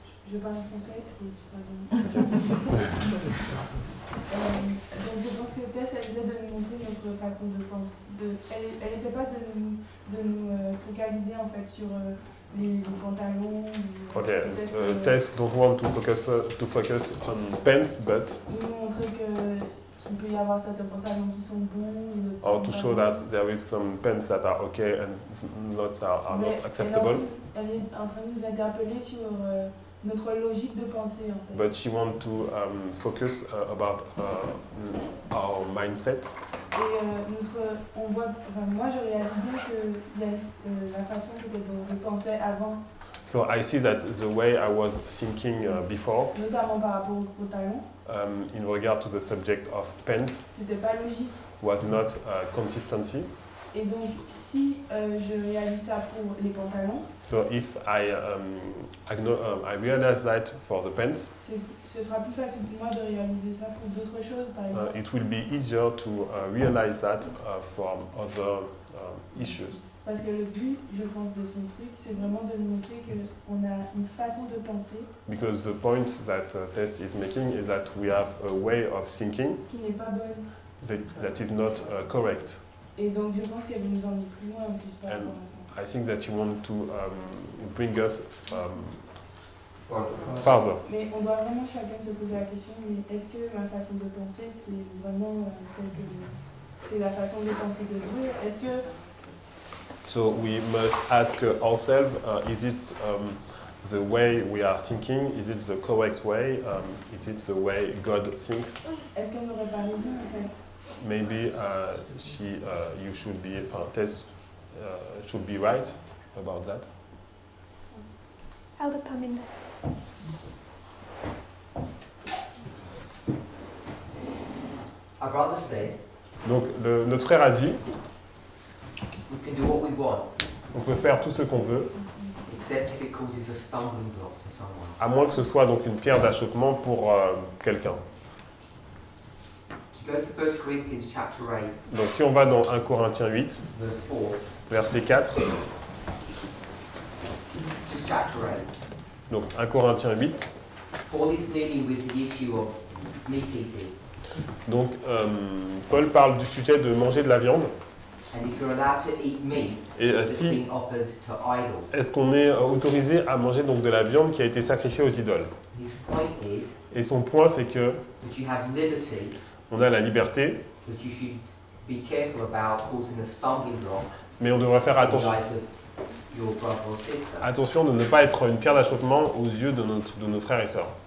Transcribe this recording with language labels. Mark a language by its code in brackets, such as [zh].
[fr] Je parle français, donc je pense que Tess, elle essaie de nous montrer notre façon de penser. Elle essaie pas de nous, focaliser en fait sur les pantalons. [en] Ok, Tess, don't want to focus, on pants, but. [fr] Il nous montre qu'il peut y avoir certains pantalons qui sont bons. [en] Or to show that there is some pants that are ok and not are not acceptable. [fr] Elle est en train de nous interpeller sur. Notre logique de pensée, en fait. [en] But she wants to focus about our mindset. [fr] Et notre, on voit, enfin, moi, je réalise bien que la façon dont je pensais avant. [en] So I see that the way I was thinking before. [fr] Notamment par rapport au talent. [en] In regard to the subject of pants. [fr] C'était pas logique. [en] Was not consistency. [fr] Et donc, si je réalise ça pour les pantalons, [en] so if I, I realize that for the pants, [fr] ce sera plus facile pour moi de réaliser ça pour d'autres choses, par exemple. [en] It will be easier to realize that for other issues. [fr] Parce que le but, je pense, de son truc, c'est vraiment de montrer qu'on a une façon de penser. [en] Because the point that Tess is making is that we have a way of thinking [fr] qui n'est pas bonne. [en] That is not correct. [fr] Et donc je pense qu'elle nous emmène plus loin en plus par rapport à ça. [en] I think that you want to bring us farther. [fr] Mais on doit vraiment chacun se poser la question, mais est-ce que ma façon de penser, c'est vraiment celle que c'est la façon de penser de Dieu? Est-ce que... [en] So we must ask ourselves, is it the way we are thinking? Is it the correct way? Is it the way God thinks? [fr] Est-ce qu'on n'aurait pas raison en fait? [en] Maybe she, you should be, Tess should be right about that. Elder Paminda. Our brother said. [fr] Donc notre frère a dit. [en] We can do what we want. [fr] On peut faire tout ce qu'on veut. [en] Except if it causes a stumbling block to someone. [fr] À moins que ce soit donc une pierre d'achoppement pour quelqu'un. [en] Go to 1 Corinthians chapter 8. [fr] Donc si on va dans 1 Corinthiens 8, verset 4. [en] Just chapter 8. [fr] Donc 1 Corinthiens 8. [en] Paul is dealing with the issue of meat eating. [fr] Donc Paul parle du sujet de manger de la viande. [en] And if you're allowed to eat meat, [fr] et [en] si it's being offered to idols. [fr] Est-ce qu'on est autorisé à manger donc de la viande qui a été sacrifiée aux idoles? [en] His point is, [fr] et son point c'est que [en] that you have liberty. [fr] On a la liberté, [en] but you should be careful about causing a stumbling block, [fr] mais on devrait faire attention. [en] Your brother or sister. [fr] Attention de ne pas être une pierre d'achoppement aux yeux de nos frères et sœurs.